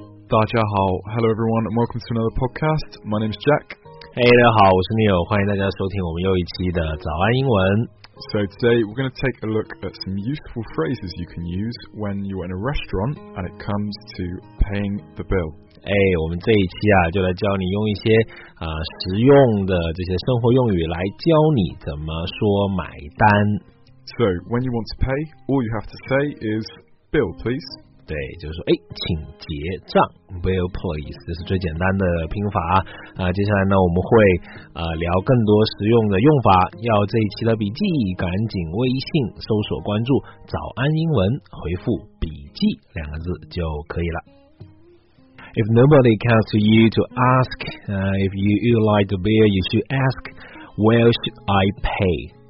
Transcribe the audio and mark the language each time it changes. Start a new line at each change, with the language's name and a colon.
English: 大家好, hello everyone and welcome to another podcast. My name is Jack.
Chinese: Hey, 大家好, 我是Neil, 欢迎大家收听我们又一期的早安英文。
English: So today we're going to take a look at some useful phrases you can use when you're in a restaurant and it comes to paying the bill.
Chinese: 我们这一期就来教你用一些实用的这些生活用语来教你怎么说买单。So
English: when you want to pay, all you have to say is bill, please.
Chinese: 对，就是说，请结账 ，bill please， 这是最简单的拼法啊。接下来呢，我们会聊更多实用的用法。要这一期的笔记，赶紧微信搜索关注“早安英文”，回复“笔记”两个字就可以了。
English: If nobody comes to you to ask, if you would like the bill, you should ask, where should I pay?